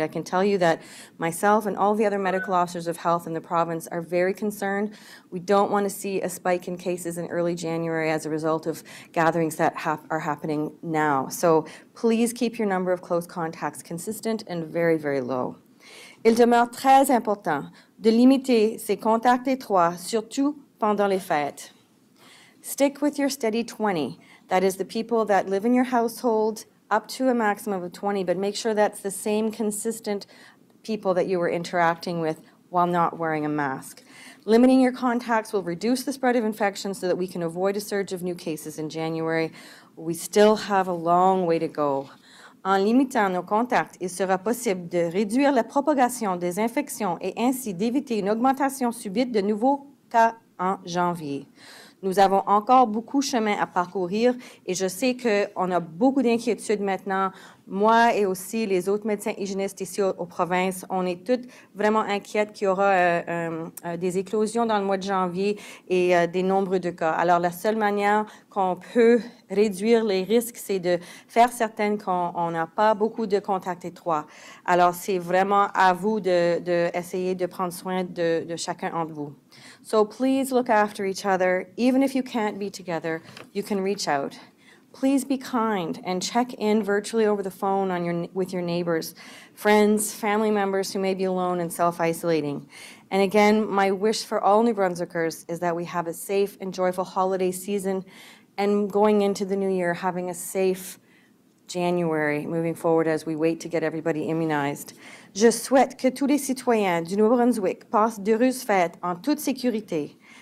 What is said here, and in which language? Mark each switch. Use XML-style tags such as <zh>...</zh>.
<en>I can tell you that myself and all the other medical officers of health in the province are very concerned. We don't want to see a spike in cases in early January as a result of gatherings that are happening now. So please keep your number of close contacts consistent and very, very low.</en> <fr>Il demeure très important de limiter ces contacts étroits, surtout pendant les fêtes.</fr> <en>Stick with your steady 20, that is the people that live in your household, up to a maximum of 20, but make sure that's the same consistent people that you were interacting with while not wearing a mask. Limiting your contacts will reduce the spread of infection so that we can avoid a surge of new cases in January. We still have a long way to go.</en> <fr>En limitant nos contacts, il sera possible de réduire la propagation des infections et ainsi d'éviter une augmentation subite de nouveaux cas en janvier. Nous avons encore beaucoup de chemin à parcourir et je sais qu'on a beaucoup d'inquiétudes maintenant. Moi et aussi les autres médecins hygiénistes ici aux provinces, on est toutes vraiment inquiètes qu'il y aura des éclosions dans le mois de janvier et des nombreux de cas. Alors, la seule manière qu'on peut réduire les risques, c'est de faire certain qu'on n'a pas beaucoup de contacts étroits. Alors, c'est vraiment à vous d'essayer de prendre soin de chacun d'entre vous.</fr> <en>So please look after each other. Even if you can't be together, you can reach out. Please be kind and check in virtually over the phone on with your neighbors, friends, family members who may be alone and self-isolating. And again, my wish for all New Brunswickers is that we have a safe and joyful holiday season and going into the new year, having a safe January moving forward as we wait to get everybody immunized.</en> <fr>Je souhaite que tous les citoyens du New Brunswick passent de heureuses fêtes en toute sécurité.</fr>